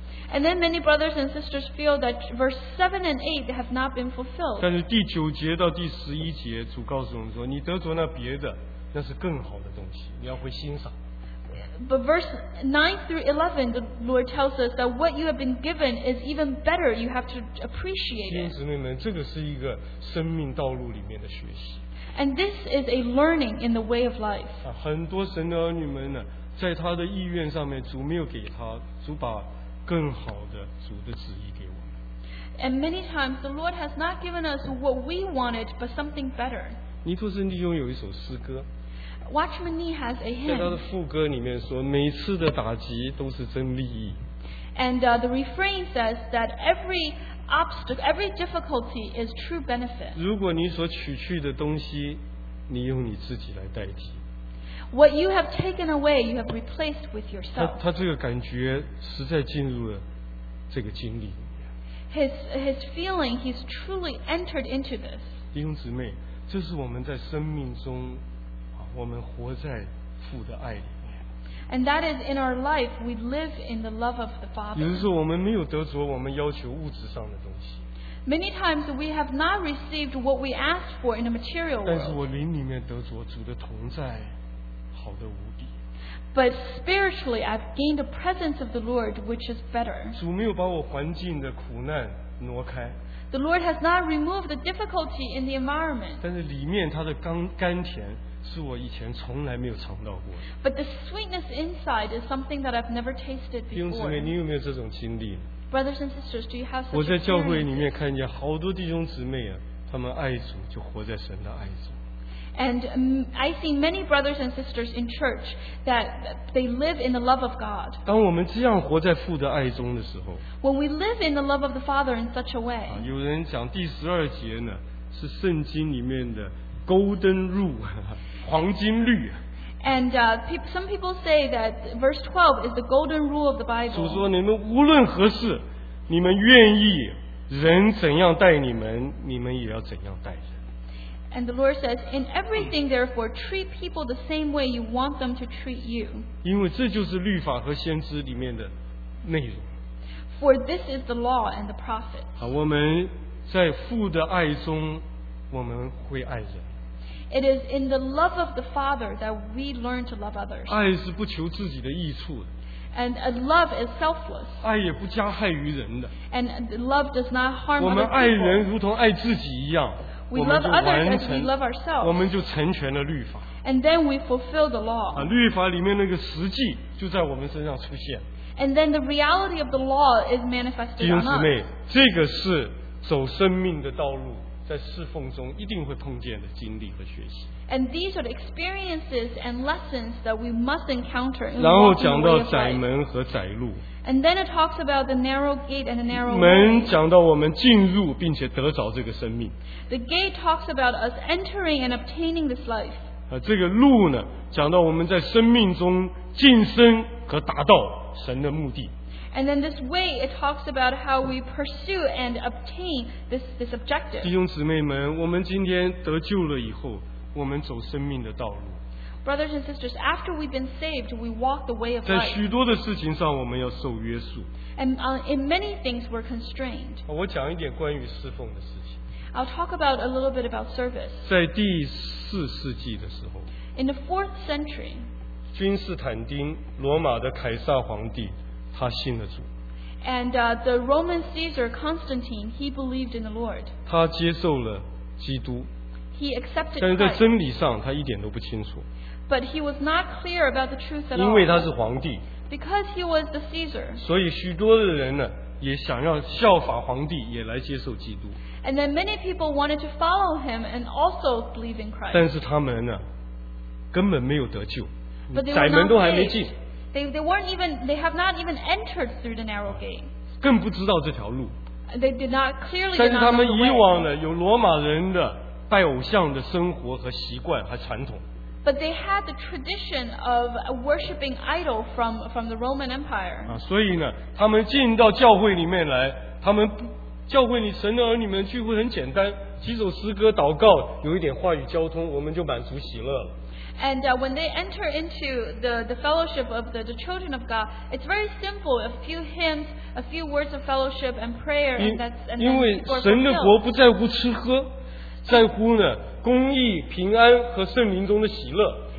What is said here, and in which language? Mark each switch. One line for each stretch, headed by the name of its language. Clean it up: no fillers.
English: And then many brothers and sisters feel that verse 7 and 8 have not been fulfilled.
Chinese: 但是第九节到第十一节，主告诉我们说，你得着那别的，那是更好的东西，你要会欣赏。
English: But verse 9 through 11, the Lord tells us that what you have been given is even better. You have to appreciate it.
Chinese: 弟兄姊妹们，这个是一个生命道路里面的学习。
English: And this is a learning in the way of life.
Chinese: 很多神的儿女们呢，在他的意愿上面，主没有给他，主把更好的主的旨意给我们。
English: And many times the Lord has not given us what we wanted, but something better.
Chinese: 尼托森弟兄有一首诗歌。
English: Watchman Nee has a hymn.
Chinese: 在他的副歌里面说，每次的打击都是真利益。
English: And the refrain says that every obstacle, every difficulty is true benefit.
Chinese: 如果你所取去的东西，你用你自己来代替。
English: What you have taken away, you have replaced with yourself.
Chinese: 他这个感觉实在进入了这个经历。
English: His feeling, he's truly entered into this.
Chinese: 弟兄姊妹，这是我们在生命中，我们活在父的爱里面。
English: And that is in our life, we live in the love of the Father.
Chinese: 有的时候我们没有得着我们要求物质上的东西。
English: Many times we have not received what we asked for in the material world.
Chinese: 但是我灵里面得着主的同在。好的无敌。
English: But spiritually, I've gained the presence of the Lord, which is better.
Chinese: 主没有把我环境的苦难挪开。
English: The Lord has not removed the difficulty in the environment.
Chinese: 但是里面它的甘甜是我以前从来没有尝到过。
English: But the sweetness inside is something that I've never tasted before.
Chinese: 弟兄姊妹，你有没有这种经历？
English: Brothers and sisters, do you have such?
Chinese: 我在教会里面看见好多弟兄姊妹啊，他们爱主就活在神的爱中。
English: And I see many brothers and sisters in church that they live in the love of God.
Chinese: 当我们这样活在父的爱中的时候，
English: When we live in the love of the Father in such a way,
Chinese: 有人讲第十二节呢，是圣经里面的 golden rule, 黄金律。
English: And some people say that verse 12 is the golden rule of the Bible.
Chinese: 主说你们无论何事，你们愿意人怎样待你们，你们也要怎样待人。
English: And the Lord says, in everything, therefore, treat people the same way you want them to treat you.
Chinese: 因为这就是律法和先知里面的内容。
English: For this is the law and the prophets.
Chinese: 好，我们在父的爱中，我们会爱人。
English: It is in the love of the Father that we learn to love others.
Chinese: 爱是不求自己的益处的。
English: And a love is selfless.
Chinese: 爱也不加害于人的。
English: And love does not harm other people.
Chinese: 我们爱人如同爱自己一样。
English: We love others as we love ourselves.
Chinese: 我们就成全了律法。
English: And then we fulfill the law.
Chinese: 律法里面那个实际就在我们身上出现。
English: And then the reality of the law is manifested on us.
Chinese: 弟兄姊妹，这个是走生命的道路，在侍奉中一定会碰见的经历和学习。
English: And these are the experiences and lessons that we must encounter in the way of life.
Chinese: 然后讲到窄门和窄路。
English: And then it talks about the narrow gate and the narrow way.
Chinese: 门讲到我们进入并且得着这个生命。
English: The gate talks about us entering and obtaining this life.
Chinese: 这个路呢，讲到我们在生命中晋升和达到神的目的。
English: And then this way, it talks about how we pursue and obtain this objective.
Chinese: 弟兄姊妹们，我们今天得救了以后，我们走生命的道路。
English: Brothers and sisters, after we've been saved, we walk the way of life.
Chinese: 在许多的事情上我们要受约束。
English: And in many things, we're constrained.
Chinese: 我讲一点关于侍奉的事情。
English: I'll talk about a little bit about service.
Chinese: 在第四世纪的时候,
English: in the 4th century,
Chinese: 君士坦丁,罗马的凯撒皇帝, 他信了主。
English: And the Roman Caesar Constantine, he believed in the Lord.
Chinese: 他接受了基督。
English: He accepted Christ.
Chinese: 但是在真理上他一点都不清楚。
English: But he was not clear about the truth at all.
Chinese: 因为他是皇帝。
English: Because he was the Caesar.
Chinese: 所以许多的人呢, 也想要效法皇帝, 也来接受基督。
English: And then many people wanted to follow him and also believe in Christ.
Chinese: 但是他们呢, 根本没有得救。
English: But they were not saved. They have not even entered through the narrow gate.
Chinese: 更不知道这条路。
English: They did not clearly know the way.
Chinese: 但是他们以往呢, 有罗马人的, 拜偶像的生活和习惯和传统。
English: But they had the tradition of worshipping idol from the Roman Empire.
Chinese: 所以呢, 他们进到教会里面来, 他们教会里神的儿女们聚会很简单, 几首诗歌祷告, 有一点话语交通, 我们就满足喜乐了。
English: And when they enter into the fellowship of the children of God, it's very simple, a few hymns, a few words of fellowship and prayer, and that's and
Chinese: 因为神的国不在乎吃喝。在乎呢, 公义, 平安和圣灵中的喜乐。